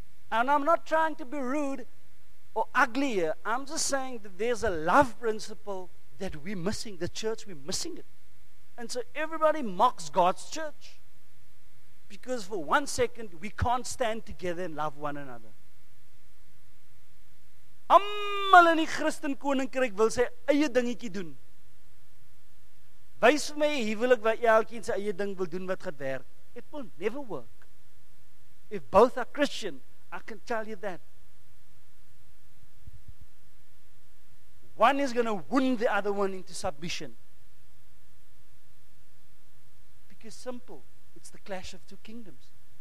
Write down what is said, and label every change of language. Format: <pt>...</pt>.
<en>And I'm not trying to be rude or ugly here. I'm just saying that there's a love principle that we're missing. The church, we're missing it. And so everybody mocks God's church. Because for one second, we can't stand together and love one another.</en> <af>Almal in die Christen koninkryk wil sy eie dingetjie doen. Wys vir my huwelik waar elkeen sy eie ding wil doen wat gaan werk.</af> <en>It will never work. If both are Christian, I can tell you that. One is going to wound the other one into submission. Because simple, it's the clash of two kingdoms.</en>